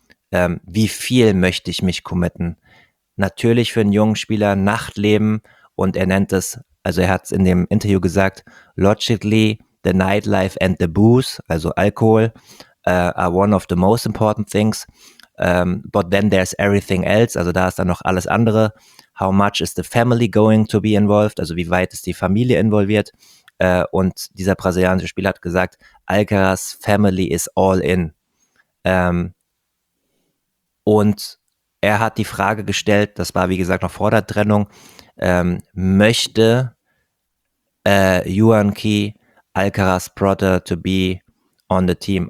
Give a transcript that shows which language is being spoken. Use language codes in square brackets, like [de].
[de] Wie viel möchte ich mich committen? Natürlich für einen jungen Spieler Nachtleben, und er nennt es, also er hat es in dem Interview gesagt, [en] logically the nightlife and the booze, also Alkohol, are one of the most important things. But then there's everything else, [de] also da ist dann noch alles andere. [en] How much is the family going to be involved? [de] Also wie weit ist die Familie involviert? Und dieser brasilianische Spieler hat gesagt, Alcaraz [en] family is all in. [de] Und er hat die Frage gestellt, das war wie gesagt noch vor der Trennung, möchte Juan Key Alcaraz [en] brother to be on the team?